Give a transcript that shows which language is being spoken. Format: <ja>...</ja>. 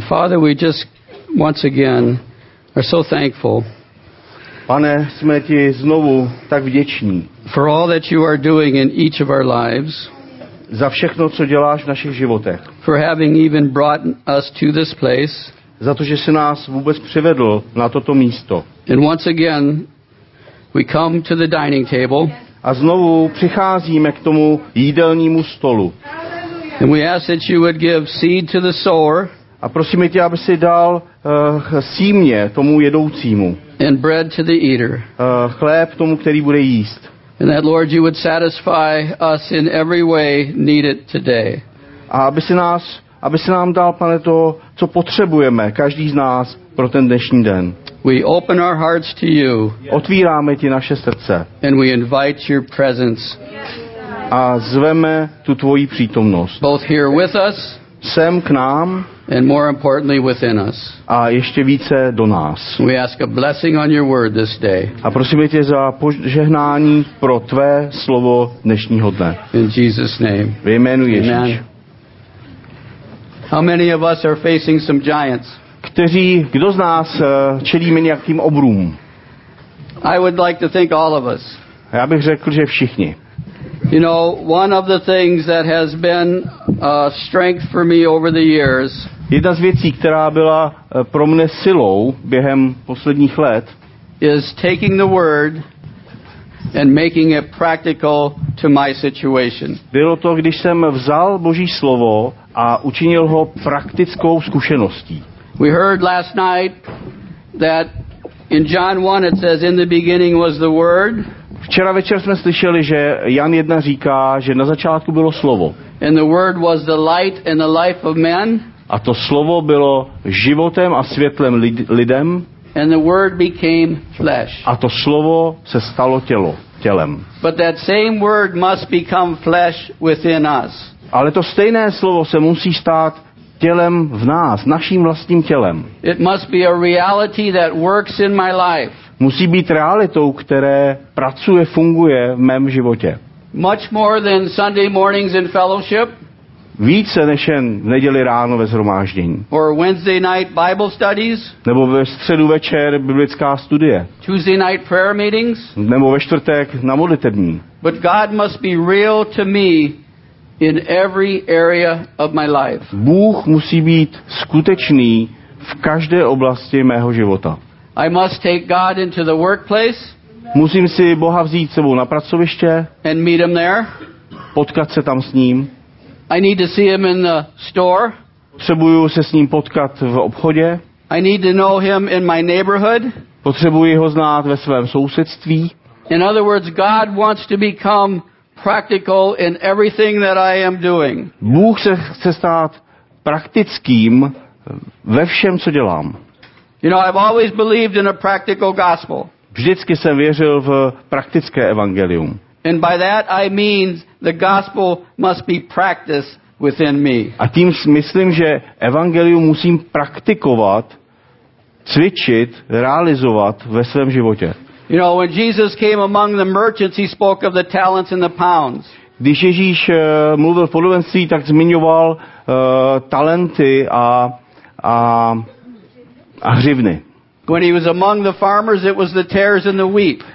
<en>Father, we just once again are so thankful.</en> <cs>Pane, jsme ti znovu tak vděční.</cs> <en>For all that you are doing in each of our lives.</en> <cs>Za všechno, co děláš v našich životech.</cs> <en>For having even brought us to this place.</en> <cs>Za to, že jsi nás vůbec přivedl na toto místo.</cs> <en>And once again, we come to the dining table.</en> <cs>A znovu přicházíme k tomu jídelnímu stolu.</cs> <en>And we ask that you would give seed to the sower.</en> <cs>A prosíme tě, aby si dal símě tomu jedoucímu.</cs> <en>And bread to the eater.</en> <cs>Chléb tomu, který bude jíst.</cs> <en>And that, Lord, you would satisfy us in every way needed today.</en> <cs>A aby si nám dal, Pane, to, co potřebujeme, každý z nás, pro ten dnešní den.</cs> <en>We open our hearts to you.</en> <cs>Otvíráme ti naše srdce.</cs> <en>And we invite your presence.</en> <cs>A zveme tu tvoji přítomnost.</cs> <en>Both here with us.</en> <cs>Sem k nám.</cs> <en>And more importantly within us.</en> <cs>A ještě více do nás.</cs> <en>We ask a blessing on your word this day.</en> <cs>A prosíme tě za požehnání pro tvé slovo dnešního dne.</cs> <en>In Jesus' name.</en> <cs>Ve jménu Ježíš.</cs> <en>Amen. How many of us are facing some giants?</en> <cs>Kdo z nás čelíme nějakým obrům?</cs> <en>I would like to think all of us.</en> <cs>Já bych řekl, že všichni.</cs> <en>You know, one of the things that has been a strength for me over the years.</en> <cs>Jedna z věcí, která byla pro mne silou během posledních let,</cs> <en>is taking the word and making it practical to my situation.</en> <cs>Bylo to, když jsem vzal Boží slovo a učinil ho praktickou zkušeností.</cs> <en>We heard last night that in John 1 it says in the beginning was the word.</en> <cs>Včera večer jsme slyšeli, že Jan 1 říká, že na začátku bylo slovo.</cs> <en>And the word was the light and the life of men.</en> <cs>A to slovo bylo životem a světlem lidem.</cs> <en>And the word became flesh.</en> <cs>A to slovo se stalo tělo, tělem.</cs> <en>But that same word must become flesh within us.</en> <cs>Ale to stejné slovo se musí stát tělem v nás, naším vlastním tělem.</cs> <en>It must be a reality that works in my life.</en> <cs>Musí být realitou, která pracuje, funguje v mém životě.</cs> <en>Much more than Sunday mornings in fellowship.</en> <cs>Více než jen v neděli ráno ve shromáždění.</cs> <en>Or Wednesday night Bible studies.</en> <cs>Nebo ve středu večer biblická studie.</cs> <en>Tuesday night prayer meetings.</en> <cs>Nebo ve čtvrtek na modlitební.</cs> <en>But God must be real to me. In every area of my life.</en> <cs>Bůh musí být skutečný v každé oblasti mého života.</cs> <en>I must take God into the workplace.</en> <cs>Musím si Boha vzít s sebou na pracoviště.</cs> <en>And meet him there.</en> <cs>Potkat se tam s ním.</cs> <en>I need to see him in the store.</en> <cs>Potřebuji se s ním potkat v obchodě.</cs> <en>I need to know him in my neighborhood.</en> <cs>Potřebuji ho znát ve svém sousedství.</cs> <en>In other words, God wants to become practical in everything that I am doing.</en> <cs>Bůh se chce stát praktickým ve všem, co dělám.</cs> <en>You know, I've always believed in a practical gospel.</en> <cs>Vždycky jsem věřil v praktické evangelium.</cs> <en>And by that I mean the gospel must be practiced within me.</en> <cs>A tím myslím, že evangelium musím praktikovat, cvičit, realizovat ve svém životě.</cs> <en>You know, when Jesus came among the merchants, he spoke of the talents and the pounds.</en> <cs>Když Ježíš mluvil v podobenství, tak zmiňoval talenty a hřivny.</cs> <en>When he was among the farmers, it was the tares and the wheat.</en>